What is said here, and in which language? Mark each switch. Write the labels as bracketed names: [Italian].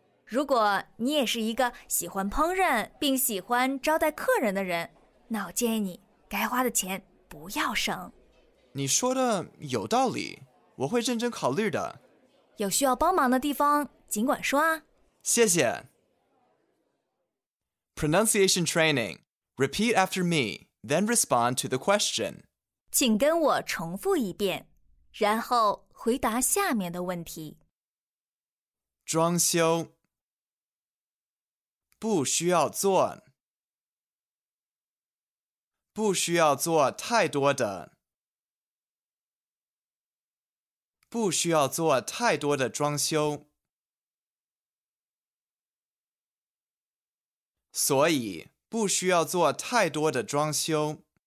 [Chinese] 如果你也是一个喜欢烹饪并喜欢招待客人的人，那我建议你该花的钱不要省。你说的有道理，我会认真考虑的。有需要帮忙的地方尽管说啊。谢谢。 [English] Pronunciation training. Repeat after me, then respond to the question. [Chinese] 请跟我重复一遍，然后回答下面的问题。装修不需要做，不需要做太多的，不需要做太多的装修，所以不需要做太多的装修。